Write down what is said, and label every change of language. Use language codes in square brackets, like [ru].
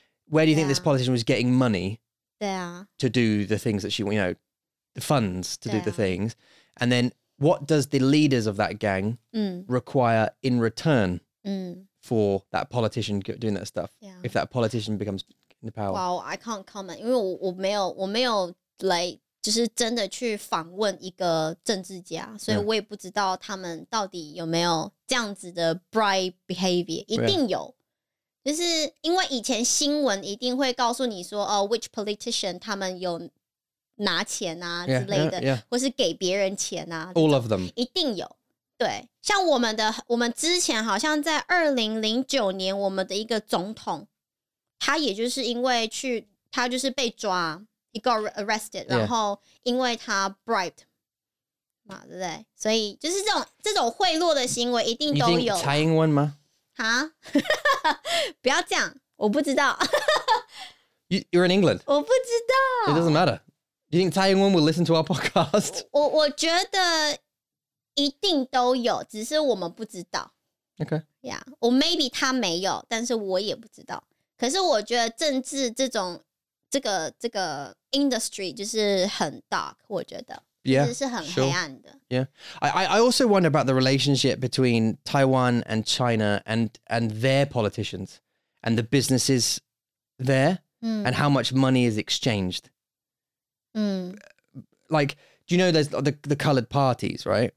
[en] Where do you think this politician was getting money to do the things that she, you know, the funds to do the things? And then what does the leaders of that gang require in return for that politician doing that stuff? Yeah. If that politician becomes... The power. Wow, I can't comment, [zh] 因为我没有 like, 就是真的去访问一个政治家，所以我也不知道他们到底有没有这样子的 bribe behavior, 一定有。就是因为以前新闻一定会告诉你说，哦， [en] which politician [zh] 他们有拿钱啊之类的，或是给别人钱啊 [en] ，All of them. [zh] 一定有。对，像我们之前好像在2009年，我们的一个总统他也就是因为去他就是被抓 [en] He got arrested、yeah. [zh] 然后因为他 bribed 嘛对不对所以就是这种贿赂的行为一定都有蔡英文吗蛤不要这样我不知道 [en] You're in England. [zh] 我不知道。 [en] It doesn't matter. Do you think 蔡英文 will listen to our podcast? [zh] 我觉得一定都有，只是我们不知道。 [en] Okay. Yeah. [zh] 我 maybe 他没有，但是我也不知道。可是我觉得政治这个 industry 就是很 dark， 我觉得。 [en] Yeah, [zh] 其实是很黑暗的。 [en] Sure. Yeah. I also wonder about the relationship between Taiwan and China and their politicians and the businesses there. And how much money is exchanged?、 Mm. Like, do you know there's the coloured parties, right?